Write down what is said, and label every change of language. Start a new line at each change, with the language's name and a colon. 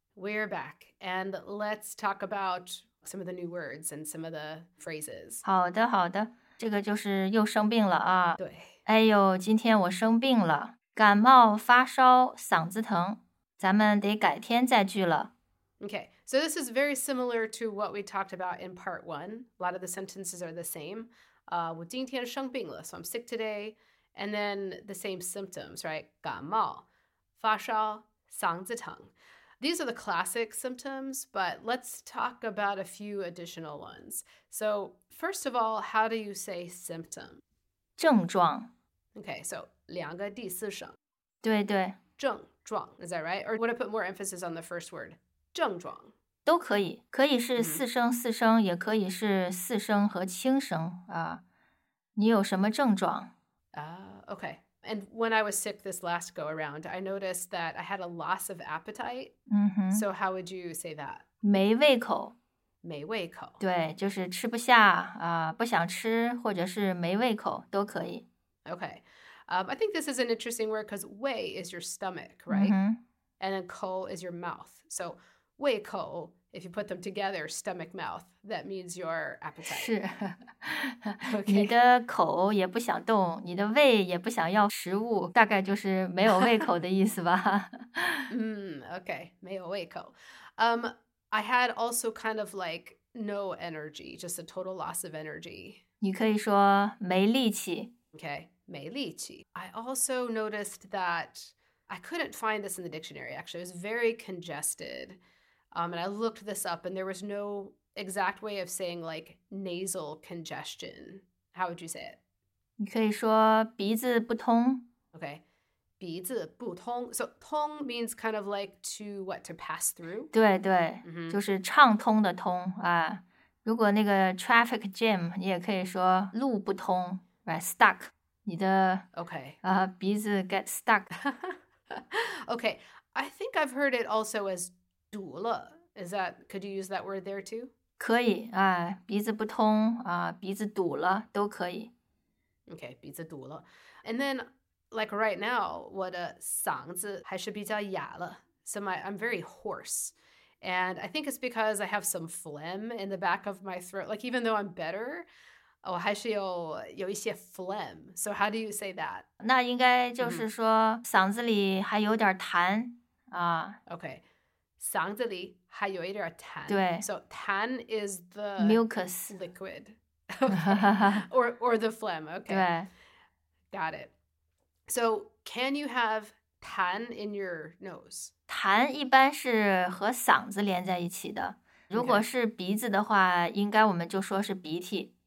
English: We're back, and let's talk about some of the new words and some of the phrases.
Chinese: 好的，好的，这个就是又生病了啊。对。哎呦，今天我生病了，感冒发烧嗓子疼，咱们得改天再聚了。
English: Okay, so this is very similar to what we talked about in part one. A lot of the sentences are the same.
Chinese: 我今天生病了
English: so I'm sick today. And then the same symptoms, right?
Chinese: 感冒发烧嗓子疼。
English: These are the classic symptoms, but let's talk about a few additional ones. So first of all, how do you say symptom?
Chinese: 症状
English: Okay, so
Chinese: 两个第四声对对
English: 症状 is that right? Or would I put more emphasis on the first word?
Chinese: 症状都可以可以是四声、mm-hmm. 四声也可以是四声和轻声啊。你有什么症状
English: Okay, and when I was sick this last go around, I noticed that I had a loss of appetite. Mm-hmm. So how would you say that?
Chinese: 没胃口没胃口对就是吃不下、不想吃或者是没胃口都可以
English: Okay,、I think this is an interesting word because 胃 is your stomach, right?、 Mm-hmm. And then 口 is your mouth. So 胃口 if you put them together, stomach, mouth, that means your appetite.
Chinese: 是、
English: okay.
Chinese: 你的口也不想动你的胃也不想要食物大概就是没有胃口的意思吧、
English: Okay,
Chinese: 没有胃口、
English: I had also kind of like no energy, just a total loss of energy.
Chinese: 你可以说没力气。
English: Okay,
Chinese: 没力气。
English: I also noticed that I couldn't find this in the dictionary, actually. It was very congested. And I looked this up and there was no exact way of saying like nasal congestion. How would you say it?
Chinese: 你可以说鼻子不通。
English: Okay.
Chinese: 鼻子不通
English: So, 通 means kind of like to what, to pass through?
Chinese: 对对、mm-hmm. 就是畅通的通啊。如果那个
English: traffic jam,
Chinese: 你也可以说路不通
English: right, stuck,
Chinese: 你的
English: okay. 鼻子 get stuck. okay, I think I've heard it also as 堵了 Is that, could you use that word there too?
Chinese: 可以啊鼻子不通啊鼻子堵了都可以。
English: Okay,
Chinese: 鼻子堵了。
English: And then,Like right now,
Chinese: 我的嗓子还是比较哑了
English: So I'm very hoarse. And I think it's because I have some phlegm in the back of my throat. Like even though I'm better,
Chinese: 我还是有一些
English: phlegm. So how do you say that?
Chinese: 那应该就是说、mm-hmm. 嗓子里还有点痰、
English: Okay.
Chinese: 嗓子里还有一点痰。对。
English: So 痰 is the mucus. Liquid. Okay. or the phlegm. Okay.
Chinese: 对。
English: Got it. So, can you have 痰 in your nose?
Chinese: 痰一般是和嗓子连在一起的。如果是鼻子的话，应该我们就说是鼻涕。